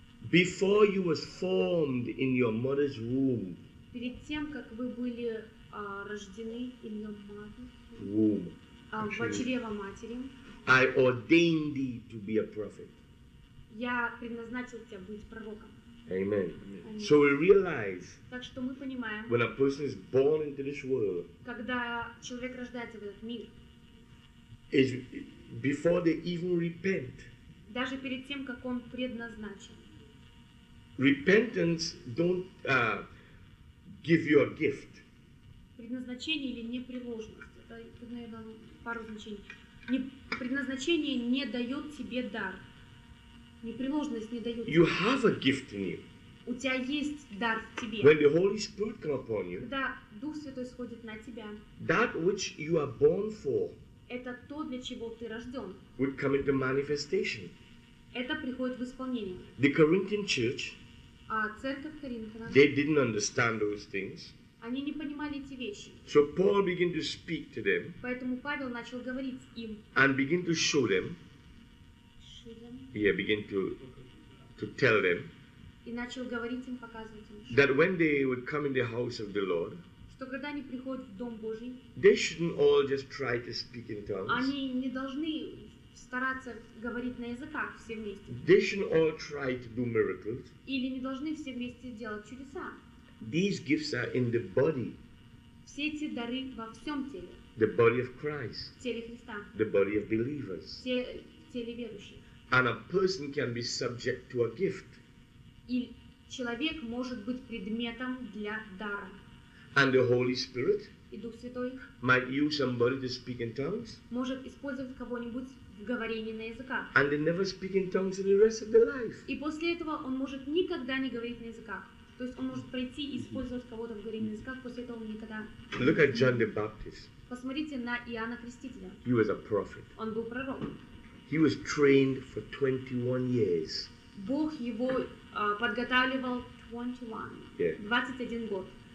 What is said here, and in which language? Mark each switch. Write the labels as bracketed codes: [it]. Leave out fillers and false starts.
[en] Before you was formed in your mother's womb. [ru] Перед тем, как вы были рождены [en] in your mother's womb. [ru] В чрево матери. [en] I ordained thee to be a prophet. [ru] Я предназначил тебя быть пророком. [en] Amen. So we realize. [ru] Так что мы понимаем. [en] When a person is born into this world. [ru] Когда человек рождается в этот мир. [en] Is before they even repent. [ru] Даже перед тем, как он предназначен. [en] Repentance don't give you a gift. [ru] Предназначение или непреложность. Это, наверное, пару значений. Предназначение не дает тебе дар. Непреложность не дает. [en] You have a gift in you. [ru] У тебя есть дар в тебе. [en] When the Holy Spirit comes upon you. [ru] Когда Дух Святой сходит на тебя. [en] That which you are born for. [ru] Это то, для чего ты рожден. [en] Would come into manifestation. [ru] Это приходит в исполнение. [en] The Corinthian church. [ru] А церковь Коринфяна. [en] They didn't understand those things. [ru] Они не понимали эти вещи. [en] So Paul began to speak to them. [ru] Поэтому Павел начал говорить им. [en] And begin to show them. Yeah, begin to tell them. [ru] И начал говорить им, показывать им. [en] That when they would come in the house of the Lord. [ru] Что когда они приходят в дом Божий. [en] They shouldn't all just try to speak in tongues. [ru] Они не должны стараться говорить на языках все вместе. [en] They shouldn't all try to do miracles. [ru] Или не должны все вместе делать чудеса. [en] These gifts are in the body. [ru] Все эти дары во всем теле. [en] The body of Christ. [ru] В теле Христа. [en] The body of believers. [ru] В теле верующих. [en] And a person can be subject to a gift. [ru] И человек может быть предметом для дара. [en] And the Holy Spirit. [ru] И Дух Святой. [en] Might use somebody to speak in tongues. [ru] Может использовать кого-нибудь в говорении на языках. [en] And they never speak in tongues in the rest of their life. [ru] И после этого он может никогда не говорить на языках. То есть он может пройти и использовать кого-то в говорении на языках, после этого он никогда. [en] Look at John the Baptist. [ru] Посмотрите на Иоанна Крестителя. [en] He was a prophet. [ru] Он был пророк. [en] He was trained for 21 years. [ru] Бог его подготавливал 21 год.